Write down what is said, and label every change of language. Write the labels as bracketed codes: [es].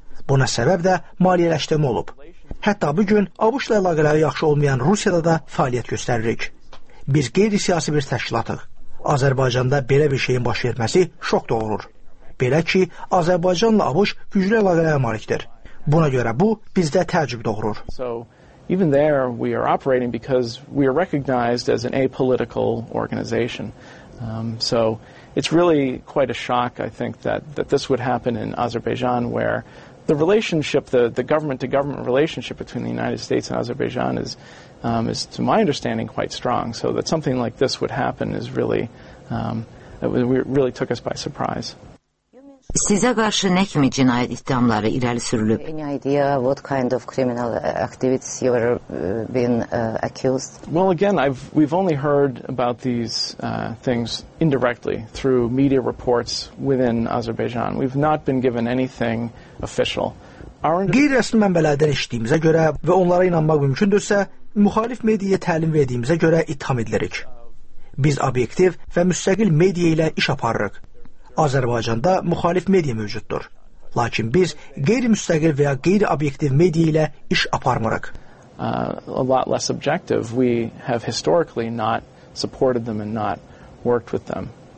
[az] Buna səbəb də maliyyələşdirmə olub. Hətta bu gün ABŞ-la əlaqələri yaxşı olmayan Rusiyada da fəaliyyət göstəririk. Biz qeyri-siyasi bir təşkilatıq. Azərbaycanda belə bir şeyin baş verməsi şok doğurur. Belə ki, Azərbaycanla ABŞ güclü əlaqələrə malikdir. Buna görə bu, bizdə təəccüb doğurur. [en] Even there we are operating because we are recognized as an apolitical organization. So it's really quite a shock, I think, that this would happen in Azerbaijan, where the relationship, the government-to-government relationship between the United States and Azerbaijan is, to my understanding, quite strong. So that something like this would happen is really, really took us by surprise. [az] Size karşı ne kimi cinayet ittihamları ileri sürülüp? [en] Any idea what kind of criminal activities you were being accused? Well, again, we've only heard about these things indirectly through media reports within Azerbaijan. We've not been given anything official. [az] Qeyri-rəsmi mənbələrdən eşitdiyimizə görə və onlara inanmaq mümkündürsə, müxalif mediyaya təlim verdiyimizə görə ittiham edilirik. Biz obyektiv və müstəqil media ilə iş aparırıq. Azərbaycanda müxalif media mövcuddur. Lakin biz qeyri-müstəqil və ya qeyri-obyektiv media ilə iş aparmırıq. [en] A lot less objective. We have historically not supported them and not worked with them.